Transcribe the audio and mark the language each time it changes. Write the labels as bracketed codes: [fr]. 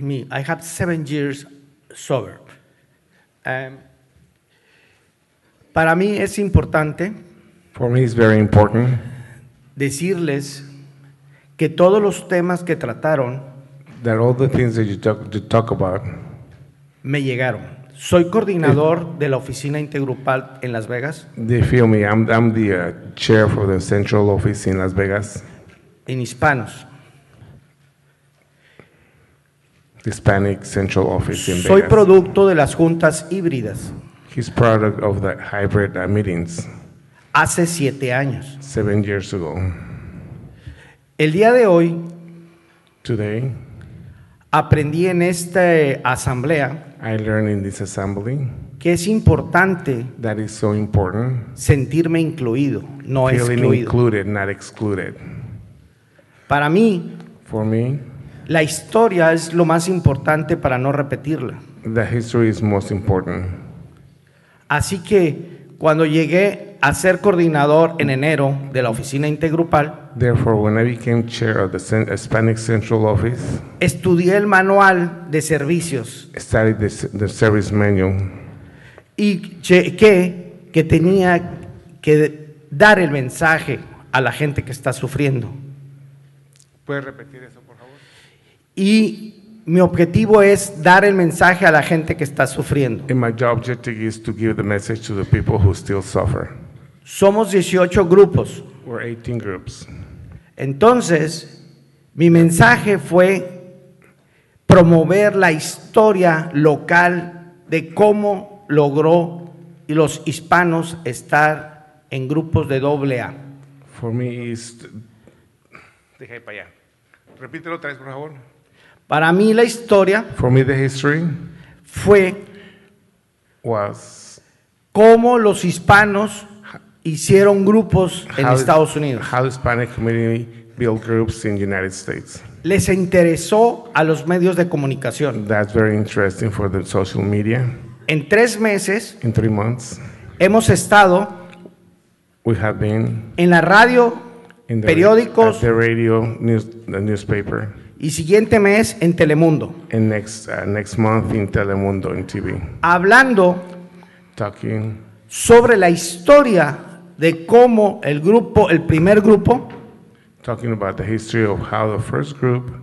[en] I had 7 years sober. [es] Para mí es importante. [en] For me, it's very important. [es] Decirles que todos los temas que trataron. [en] That all the things that you talk about. [es] Me llegaron. Soy coordinador de la oficina intergrupal en Las Vegas. [en] They feel me. I'm the chair for the central office in Las Vegas. [es] En hispanos. [en] Hispanic central office in [es] Soy [en] Vegas. [es] Soy producto de las juntas híbridas. [en] He's product of the hybrid meetings. [es] Hace 7 años. [en] 7 years ago. [es] El día de hoy. [en] Today. [es] Aprendí en esta asamblea. [en] I learned in this assembly. [es] Que es importante. [en] That is so important. [es] Sentirme incluido, no [en] feeling [es] excluido. [en] Feeling included, not excluded. [es] Para mí. [en] For me. [es] La historia es lo más importante para no repetirla. [en] The history is most important. [es] Así que cuando llegué a ser coordinador en enero de la oficina intergrupal, [en] therefore, when I became chair of the Hispanic Central Office, [es] estudié el manual de servicios, [en] studied the service manual, [es] y chequé que tenía que dar el mensaje a la gente que está sufriendo. ¿Puedes repetir eso, por favor? Y mi objetivo es dar el mensaje a la gente que está sufriendo. [en] And my job objective is to give the message to the people who still suffer. [es] Somos 18 grupos. [en] We're 18 groups. [es] Entonces, mi mensaje fue promover la historia local de cómo logró los hispanos estar en grupos de doble A. [en] For me is... [es] Deja ahí para allá. Repítelo otra vez, por favor. Para mí la historia, [en] for me the history, [es] fue [en] was [es] cómo los hispanos hicieron grupos en Estados Unidos. [en] How the Hispanic community built groups in the United States. [es] Les interesó a los medios de comunicación. [en] That's very interesting for the social media. [es] En 3 meses, [en] in 3 months, [es] hemos estado, [en] we have been [es] en la radio, periódicos, [en] the radio, the newspaper. [es] Y siguiente mes en Telemundo. [en] And next month in Telemundo in TV. [es] Hablando. [en] Talking. [es] Sobre la historia de cómo el grupo, el primer grupo. [en] Talking about the history of how the first group.